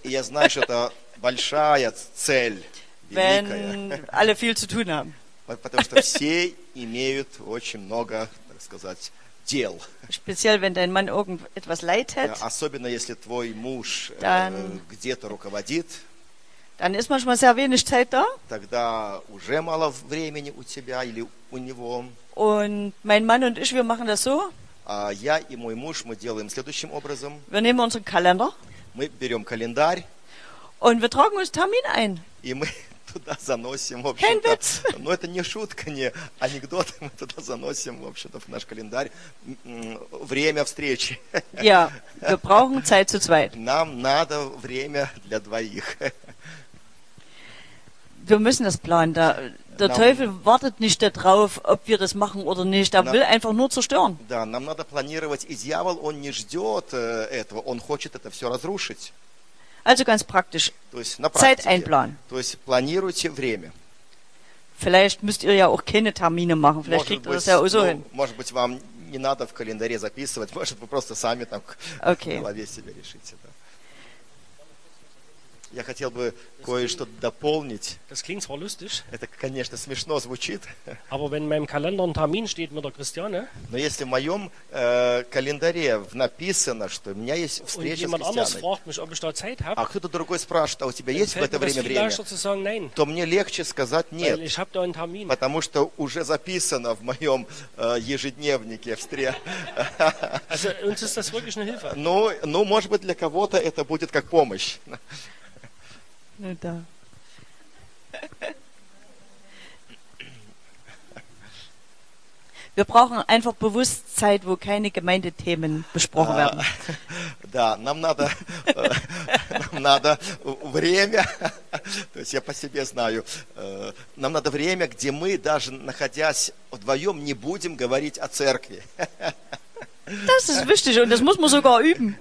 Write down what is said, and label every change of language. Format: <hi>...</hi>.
<ru>И я знаю, что это большая цель.</ru> <de>Wenn alle viel zu tun haben.</de> <ru>Потому что все имеют очень много, так сказать, дел.</ru> <de>Speziell, wenn dein Mann irgendetwas leitet.</de> <ru>Особенно, если твой муж где-то руководит.</ru> <de>Dann ist manchmal sehr wenig Zeit da.</de> <ru>Тогда уже мало времени у тебя или у него.</ru> <de>Und mein Mann und ich, wir machen das so.</de> <ru>Я и мой муж, мы делаем следующим образом.</ru> <de>Wir nehmen unseren Kalender.</de> <ru>Мы берем календарь.</ru> <de>Und wir tragen uns Termin ein.</de> <ru>И мы туда заносим, в общем-то. Но это не шутка, не анекдот. Мы туда заносим, в общем-то, в наш календарь время встречи.</ru> <de>Ja, wir brauchen Zeit zu zweit.</de> <ru>Нам надо время для двоих.</ru> <de>Wir müssen das planen. Der Teufel wartet nicht darauf, ob wir das machen oder nicht. Er will einfach nur zerstören.</de> <ru>Да, нам надо планировать. И дьявол, он не ждет этого. Он хочет это все разрушить.</ru> <de>Also ganz praktisch.</de> <ru>То есть на практике.</ru> <de>Zeit einplanen.</de> <ru>То есть планируйте время.</ru> <de>Vielleicht müsst ihr ja auch keine Termine machen. Vielleicht kriegt ihr das ja auch so hin.</de> <ru>Может быть, вам не надо в календаре записывать. Может, вы просто сами там okay. в голове себе решите. Да. Я хотел бы кое-что дополнить.</ru> <de>Das klingt zwar lustig.</de> <ru>Это, конечно, смешно звучит.</ru> <de>Aber wenn in meinem Kalender ein Termin steht mit der Christiane.</de> <ru>Но если в моем календаре написано, что у меня есть встреча с Христианой.</ru> <de>Und jemand anders fragt mich, ob ich da Zeit habe.</de> <ru>А кто-то другой спрашивает, а у тебя есть в это время время?</ru> <de>Dann fällt mir das viel leichter zu sagen, nein.</de> <ru>То мне легче сказать нет.</ru> <de>Weil ich habe da einen Termin.</de> <ru>Потому что уже записано в моем ежедневнике встреча.</ru> <de>Also uns ist das wirklich eine Hilfe.</de> <ru>Ну, может быть, для кого-то это будет как помощь. Ну да.</ru> <de>Wir brauchen einfach bewusst Zeit, wo keine Gemeindethemen besprochen werden.</de> <ru>Да, нам надо время. То есть я по себе знаю. Нам надо время, где мы даже находясь вдвоем, не будем говорить о церкви.</ru> <de>Das ist wichtig und das muss man sogar üben.</de>